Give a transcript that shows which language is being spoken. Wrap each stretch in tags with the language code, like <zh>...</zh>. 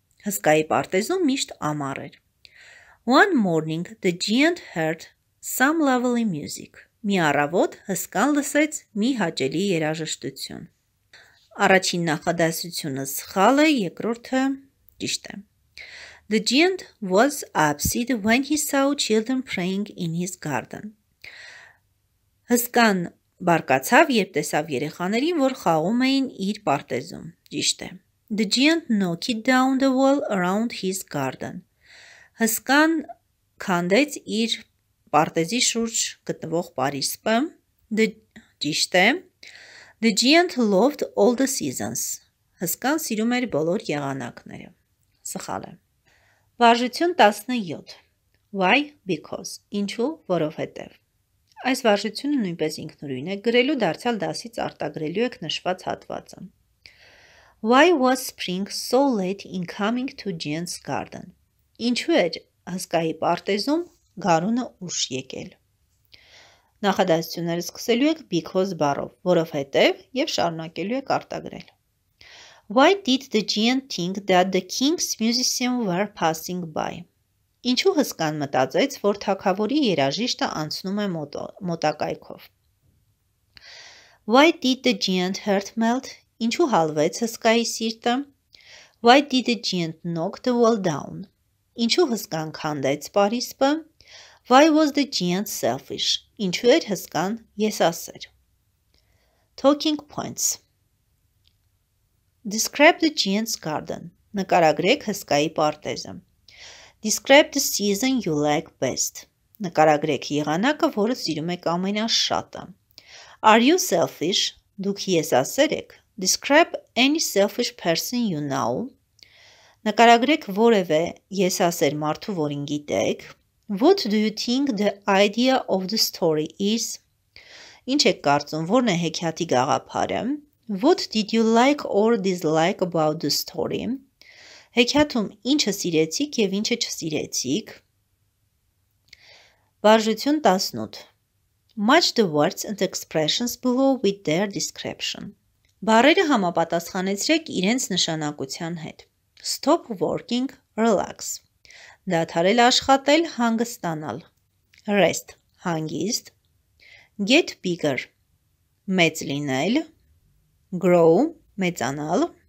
<hy>Հսկայի պարտեզում միշտ ամառ էր։</hy> <en>One morning the giant heard some lovely music.</en> <hy>Մի առավոտ հսկան լսեց մի հաճելի երաժշտություն։ Առաջին նախադասությունը սխալ է, երկրորդը ճիշտ է։</hy> <en>The giant was upset when he saw children playing in his garden.</en> <hy>Հսկան բարկացավ, երբ տեսավ երեխաներին, որ խաղում էին իր պարտեզում։ Ճիշտ է։</hy> <en>The giant knocked down the wall around his garden.</en> <hy>Հսկան քանդեց իր պարտեզի շուրջ գտնվող պարիսպը։ Ճիշտ է։</hy> <en>The giant loved all the seasons.</en> <hy>Հսկան սիրում էր բոլոր եղանակները։ Սխալ է։ Վարժություն 17.</hy> <en>Why? Because.</en> <hy>Ինչու, որովհետև։ Այս վարժությունը նույնպես ինքնուրույն է, գրելու դարձյալ դասից արտագրելու եք նշված հատվածը։</hy> <en>Why was spring so late in coming to Jen's garden?</en> <hy>Ինչու էր հսկայի պարտեզում գարունը ուշ եկել։ Նախադասությունները սկսելու եք because բառով, որովհետև, և շարունակելու եք արտագրել։</hy> <en>Why did the giant think that the king's musicians were passing by?</en> <hy>Ինչու հսկան մտածեց, որ թագավորի երաժիշտը անցնում է մոտակայքով։</hy> <en>Why did the giant heart melt?</en> <hy>Ինչու հալվեց հսկայի սիրտը։</hy> <en>Why did the giant knock the wall down?</en> <hy>Ինչու հսկան քանդեց պարիսպը։</hy> <en>Why was the giant selfish?</en> <hy>Ինչու էր հսկան եսասեր։</hy> <en>Talking points. Describe the giant's garden.</en> <hy>Նկարագրեք հսկայի պարտեզը։</hy> <en>Describe the season you like best.</en> <hy>Նկարագրեք եղանակը, որը սիրում եք ամենաշատը։</hy> <en>Are you selfish?</en> <hy>Դուք եսասեր եք։</hy> <en>Describe any selfish person you know.</en> <hy>Նկարագրեք որևէ եսասեր մարդու, որին գիտեք։</hy> <en>What do you think the idea of the story is?</en> <hy>Ինչ եք կարծում, որն է հեքիաթի գաղափարը։</hy> <en>What did you like or dislike about the story?</en> <hy>Հեքիաթում ինչը սիրեցիք և ինչը չսիրեցիք։ Բարժություն 18.</hy> <en>Match the words and expressions below with their description.</en> <hy>Բառերը համապատասխանեցրեք իրենց նշանակության հետ։</hy> <en>Stop working, relax.</en> <hy>Դադարել աշխատել, հանգստանալ։</hy> <en>Rest,</en> <hy>հանգիստ։</hy> <en>Get bigger,</en> <hy>մեծ լինել։</hy> <en>Grow,</en> <hy>մեծանալ։</hy>